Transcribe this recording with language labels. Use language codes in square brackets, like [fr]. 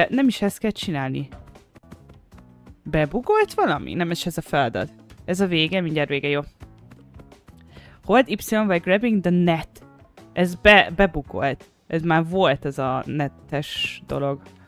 [hu] Nem is ezt kell csinálni. Bebugolt valami? Nem is ez a feladat. Ez a vége, mindjárt vége, jó. [en] Hold Y by grabbing the net. [hu] Ez bebugolt. Ez már volt ez a netes dolog.